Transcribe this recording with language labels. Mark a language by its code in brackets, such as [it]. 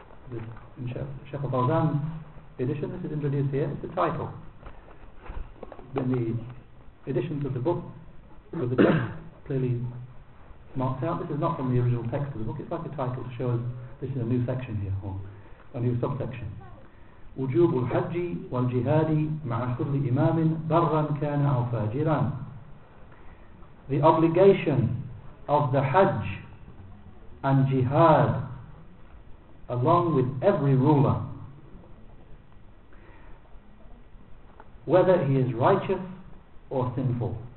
[en] This in Sheikh al-Fawzan's edition, this is introduced here, it's the title. In the editions of the book, with the text clearly marked out, this is not from the original text of the book, it's like a title to show us this is a new section here, or a new subsection. [ar] وجوب الحج والجهاد مع كل إمام برا كان أو فاجرا. [en] The obligation of the Hajj and Jihad along with every ruler, whether he is righteous or sinful.